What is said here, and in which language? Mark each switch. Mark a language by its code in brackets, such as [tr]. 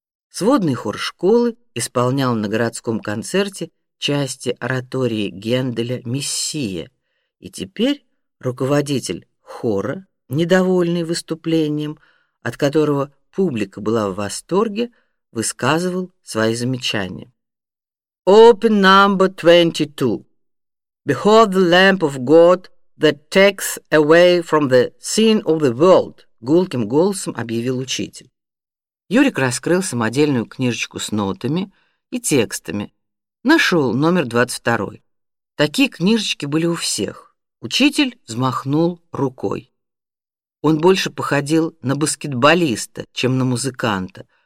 [ru] Сводный хор школы исполнял на городском концерте части оратории Генделя «Мессия», и теперь руководитель хора, недовольный выступлением, от которого публика была в восторге, высказывал свои замечания. [en] «Open number 22. Behold the lamp of God that takes away from the sin of the world», — [ru] гулким голосом объявил учитель. Юрик раскрыл самодельную книжечку с нотами и текстами. Нашел номер 22. Такие книжечки были у всех. Учитель взмахнул рукой. Он больше походил на баскетболиста, чем на музыканта.